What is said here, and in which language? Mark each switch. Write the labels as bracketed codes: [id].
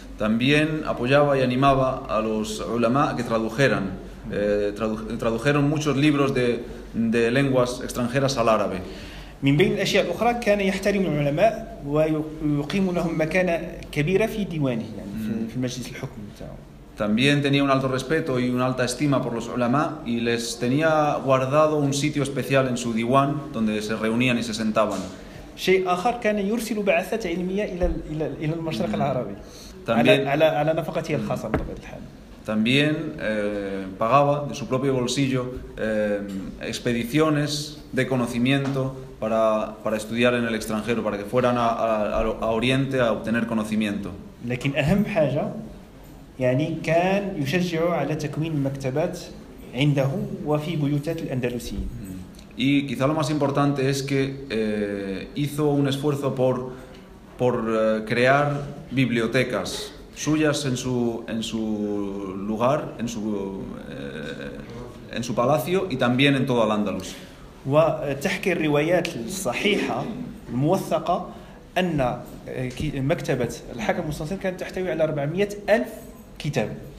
[es] También apoyaba y animaba a los ulama que tradujeran. Tradujeron muchos libros de lenguas extranjeras al árabe. [ar] من بين الأشياء الأخرى كان يحترم العلماء ويقيم لهم مكانة كبيرة في ديوانه يعني في مجلس الحكم بتاعه. [es] También tenía un alto respeto y una alta estima por los ulama y les tenía guardado un sitio especial en su diwan donde se reunían y se sentaban. [ar] شيء آخر كان يرسل بعثات علمية إلى المشرق العربي. على نفقته الخاصة بطبيعة الحال. [es] También pagaba de su propio bolsillo expediciones de conocimiento para estudiar en el extranjero, para que fueran a Oriente a obtener conocimiento. [ar] لكن أهم حاجة يعني كان يشجع على تكوين مكتبات عنده وفي بيوتات الأندلسيين. [es] Y quizá lo más importante es que hizo un esfuerzo por crear bibliotecas suyas en su lugar, en su palacio y también en todo Al-Andalus. [ar] وتحكي الروايات الصحيحة الموثقة أن مكتبة الحاكم المستنصر كانت تحتوي على 400,000 كتاب.